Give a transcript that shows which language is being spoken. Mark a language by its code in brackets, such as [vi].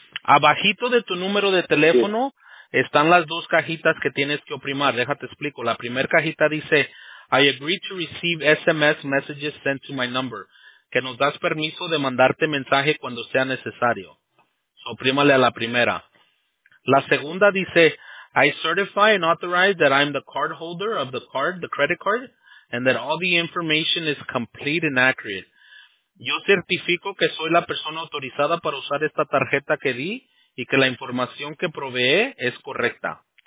[es] Abajito de tu número de teléfono están las dos cajitas que tienes que oprimar. Déjate explico. La primera cajita dice, [en] I agree to receive SMS messages sent to my number. [es] Que nos das permiso de mandarte mensaje cuando sea necesario. Oprímale a la primera. La segunda dice, [en] I certify and authorize that I'm the cardholder of the credit card, and that all the information is complete and accurate. [es] Yo certifico que soy la persona autorizada para usar esta tarjeta que di y que la información que provee es correcta.